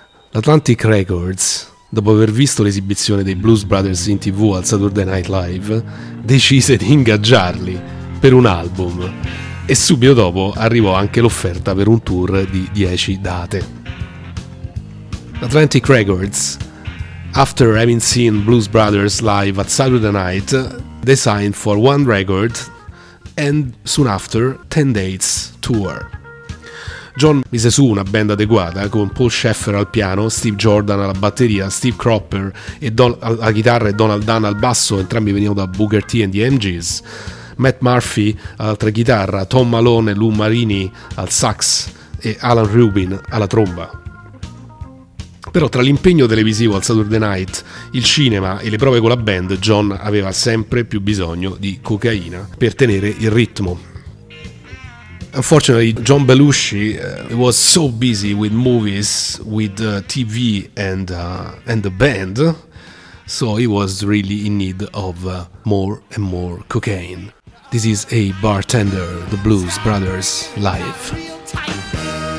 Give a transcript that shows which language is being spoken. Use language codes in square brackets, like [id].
[it] L'Atlantic Records, dopo aver visto l'esibizione dei Blues Brothers in TV al Saturday Night Live, decise di ingaggiarli per un album e subito dopo arrivò anche l'offerta per un tour di 10 date. L'Atlantic Records [en] After having seen Blues Brothers live at Saturday Night, they signed for One Record and soon after 10 Dates Tour. [it] John mise su una band adeguata con Paul Shaffer al piano, Steve Jordan alla batteria, Steve Cropper alla chitarra e Donald Dunn al basso, entrambi venivano da Booker T and the MGs, Matt Murphy all'altra chitarra, Tom Malone e Lou Marini al sax e Alan Rubin alla tromba. Però tra l'impegno televisivo al Saturday Night, il cinema e le prove con la band, John aveva sempre più bisogno di cocaina per tenere il ritmo. [en] Unfortunately, John Belushi was so busy with movies, with TV and the band, so he was really in need of more and more cocaine. This is A Bartender, the Blues Brothers live.